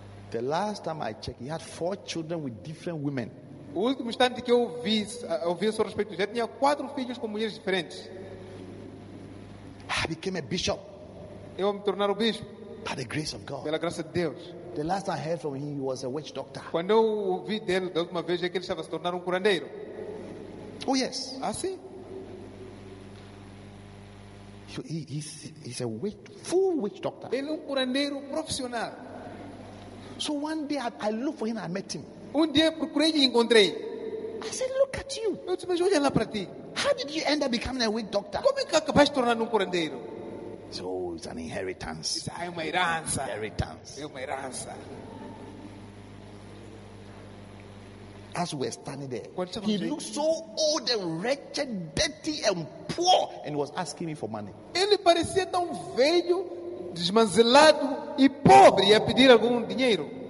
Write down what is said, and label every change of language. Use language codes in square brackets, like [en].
[en] The last time I checked, he had 4 children with different women. [pt] O último instante que eu vi, ouvi a seu respeito, já tinha 4 filhos com mulheres diferentes. [en] I became a bishop. [pt] Eu me tornar o bispo. [en] By the grace of God. [pt] Pela graça de Deus. [en] The last I heard from him, he was a witch doctor. [pt] Quando eu ouvi dele da última vez, é que ele estava se tornar um curandeiro. [en] Oh yes. [pt] Ah sim. [en] He's a witch, full witch doctor. [pt] Ele é um curandeiro profissional. [en] So one day I looked for him and I met him. [pt] Um dia procurei e encontrei. [en] I said, look at you. [pt] Eu disse, mas olha lá para ti. [en] How did you end up becoming a witch doctor? [pt] Como é que acabaste de tornar um curandeiro? [en] So it's an inheritance. [pt] Isso é uma herança. [en] Inheritance. [pt] É uma herança. [en] As we were standing there, he looked so old and wretched, dirty and poor, and was asking me for money. [pt] Ele parecia tão velho, desmanzelado e pobre, e a pedir algum dinheiro.